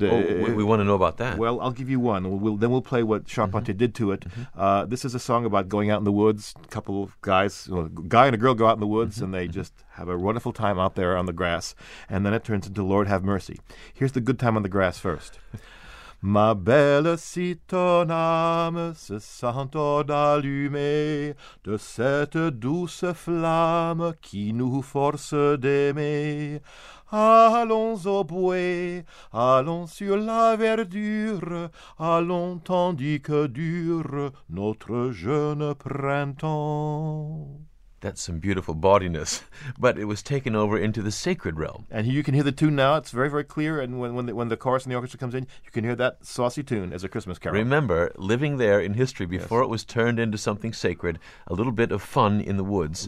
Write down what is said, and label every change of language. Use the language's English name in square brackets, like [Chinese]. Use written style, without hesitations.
[English] We want to know about that. Well, I'll give you one. We'll play what Charpentier mm-hmm. did to it. Mm-hmm. This is a song about going out in the woods. A couple of guys, a guy and a girl go out in the woods, mm-hmm. and they just have a wonderful time out there on the grass. And then it turns into Lord Have Mercy. Here's the good time on the grass first. [French] Ma belle, si ton âme se sent d'allumer de cette douce flamme qui nous force d'aimer. Allons au bois, allons sur la verdure, allons tandis que dure notre jeune printemps. [English] That's some beautiful bawdiness, but it was taken over into the sacred realm. And you can hear the tune now. It's very, very clear. And when the chorus and the orchestra comes in, you can hear that saucy tune as a Christmas carol. Remember, living there in history before it was turned into something sacred, a little bit of fun in the woods.